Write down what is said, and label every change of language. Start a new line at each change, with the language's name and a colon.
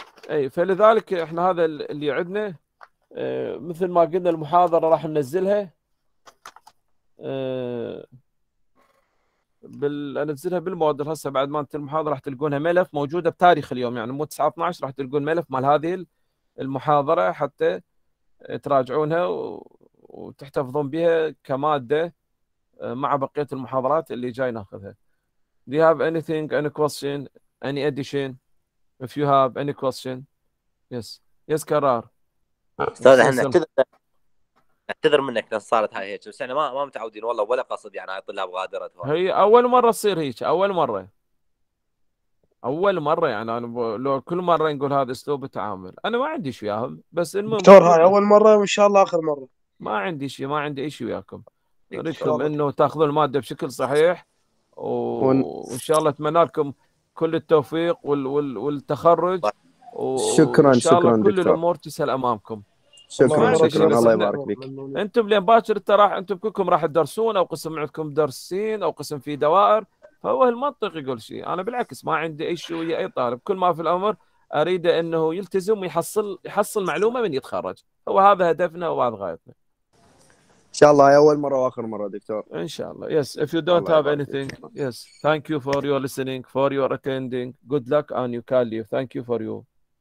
Arabic: اي فلذلك احنا هذا اللي عندنا مثل ما قلنا المحاضره راح ننزلها ننزلها بالمواد هسه بعد ما انت المحاضره راح تلقونها ملف موجوده بتاريخ اليوم يعني مو 9/12 راح تلقون ملف مال هذه المحاضره حتى تراجعونها وتحتفظون بها كماده مع بقيه المحاضرات اللي جاي ناخذها.
English: Do you have anything, any question, any addition? If you have any question, yes, yes, كرار.
Arabic: استاذ احنا نعتذر منك لان صارت هاي هيك، بس احنا ما متعودين والله ولا قصد يعني الطلاب غادرت. هي اول مره تصير هيك، اول مره يعني انا لو كل مره نقول هذا اسلوب التعامل، انا ما عندي شيء وياهم، بس المهم دكتور هاي اول مره وان شاء الله اخر مره. ما عندي شيء وياكم. أريدكم أنه تأخذوا المادة بشكل صحيح وإن شاء الله أتمنى لكم كل التوفيق والتخرج. شكراً وإن شاء الله كل الأمور تسهل أمامكم. شكراً الله يبارك فيك. أنتم لين باكر أنتم كلكم راح تدرسون أو قسم عندكم درسين أو قسم في دوائر، فهو المنطق يقول شيء. أنا بالعكس ما عندي أي شيء ويا أي طالب، كل ما في الأمر أريده أنه يلتزم ويحصل معلومة من يتخرج. هو هذا هدفنا وهذا غايتنا. إن شاء الله أول مرة وآخر مرة دكتور. إن شاء الله. Yes.
English: If you don't have anything, yes. Thank you for your listening, for your attending. Good luck and you can leave. Thank you for you.